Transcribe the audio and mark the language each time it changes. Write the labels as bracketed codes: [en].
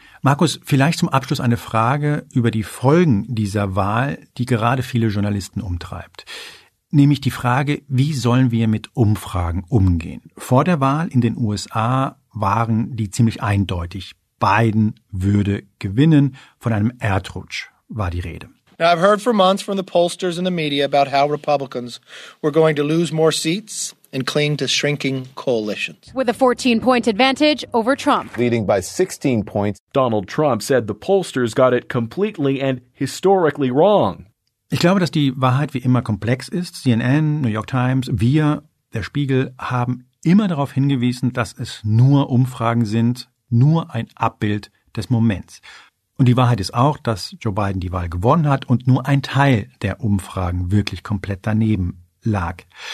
[de] Markus, vielleicht zum Abschluss eine Frage über die Folgen dieser Wahl, die gerade viele Journalisten umtreibt. Nämlich die Frage, wie sollen wir mit Umfragen umgehen? Vor der Wahl in den USA waren die ziemlich eindeutig. Biden würde gewinnen. Von einem Erdrutsch war die Rede. [en] Now I've heard for months from the pollsters and the media about how Republicans were going to lose more seats and cling to shrinking coalitions. With a 14-point advantage over Trump. Leading by 16 points. Donald Trump said the pollsters got it completely and historically wrong. [de] Ich glaube, dass die Wahrheit wie immer komplex ist. CNN, New York Times, wir, der Spiegel, haben immer darauf hingewiesen, dass es nur Umfragen sind, nur ein Abbild des Moments. Und die Wahrheit ist auch, dass Joe Biden die Wahl gewonnen hat und nur ein Teil der Umfragen wirklich komplett daneben lag.